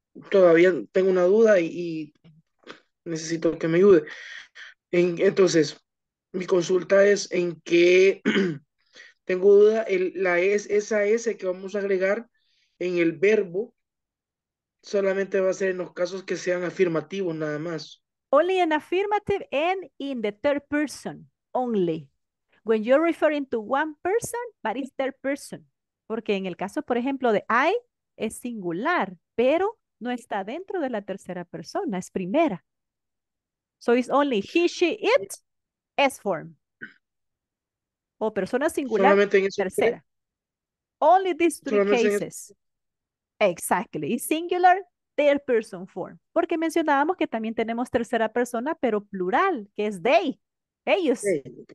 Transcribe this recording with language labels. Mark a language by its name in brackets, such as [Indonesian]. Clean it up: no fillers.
[Spanish] Todavía tengo una duda y necesito que me ayude. Entonces, mi consulta es en qué tengo duda, esa S que vamos a agregar en el verbo solamente va a ser en los casos que sean afirmativos, nada más. [English] Only in affirmative and in the third person, only. When you're referring to one person, but it's third person. [Spanish] Porque en el caso, por ejemplo, de I, es singular, pero no está dentro de la tercera persona, es primera. [English] So it's only he, she, it, S form. [Spanish] O persona singular, tercera. [English] Only these three cases. Exactly. Singular, third person form. [Spanish] Porque mencionábamos que también tenemos tercera persona, pero plural, que es they. Ellos. Hey.